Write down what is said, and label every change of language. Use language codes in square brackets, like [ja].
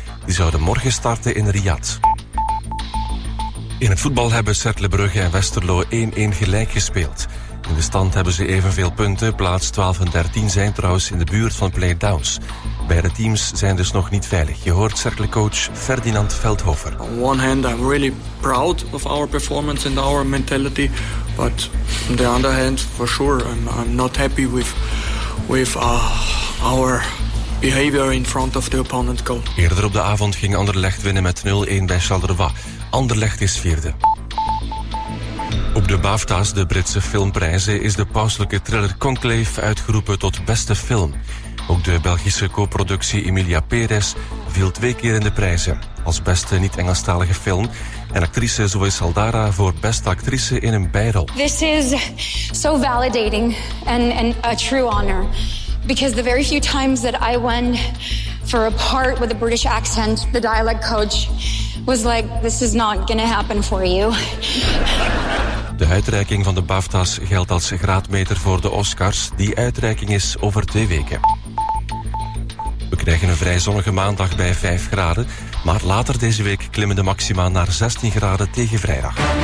[nl] Die zouden morgen starten in Riyadh. In het voetbal hebben Cercle Brugge en Westerlo 1-1 gelijk gespeeld. In de stand hebben ze evenveel punten. Plaats 12 en 13 zijn trouwens in de buurt van play-downs. Beide teams zijn dus nog niet veilig. Je hoort Cercle-coach Ferdinand Veldhoven. [en] On one hand, I'm really proud of our performance and our mentality, but on the other hand, for sure, I'm not happy with our behavior in front of the opponent goal. [nl] Eerder op de avond ging Anderlecht winnen met 0-1 bij Charleroi. Anderlecht is vierde. Op de BAFTA's, de Britse filmprijzen, is de pauselijke thriller Conclave uitgeroepen tot beste film. Ook de Belgische co-productie Emilia Perez viel twee keer in de prijzen. Als beste niet-Engelstalige film en actrice Zoe Saldana voor beste actrice in een bijrol. [en] This is so validating and a true honor. Because the very few times that I went for a part with a British accent, the dialect coach was like, this is not gonna happen for you. [nl] De uitreiking van de BAFTA's geldt als graadmeter voor de Oscars. Die uitreiking is over twee weken. We krijgen een vrij zonnige maandag bij 5 graden. Maar later deze week klimmen de maxima naar 16 graden tegen vrijdag.